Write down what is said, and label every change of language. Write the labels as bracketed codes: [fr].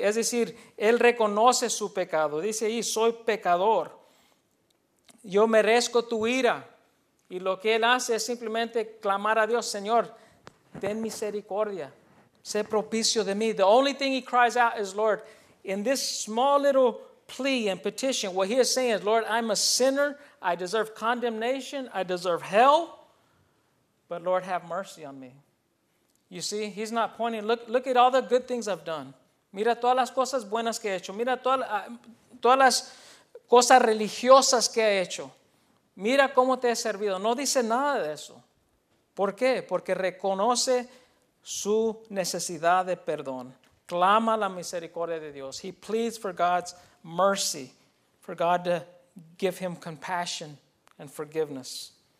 [es] Es decir, él reconoce su pecado. Dice ahí, soy pecador. Yo merezco tu ira. Y lo que él hace es simplemente clamar a Dios, Señor, ten misericordia. Sé propicio de mí. [en] The only thing he cries out is, Lord, in this small little plea and petition, what he is saying is, Lord, I'm a sinner. I deserve condemnation. I deserve hell. But Lord, have mercy on me. You see, he's not pointing. Look at all the good things I've done. [es] Mira todas las cosas buenas que he hecho. Mira todas las cosas religiosas que he hecho. Mira cómo te he servido. No dice nada de eso. ¿Por qué? Porque reconoce su necesidad de perdón. Clama la misericordia de Dios. [en] He pleads for God's mercy, for God to give him compassion and forgiveness.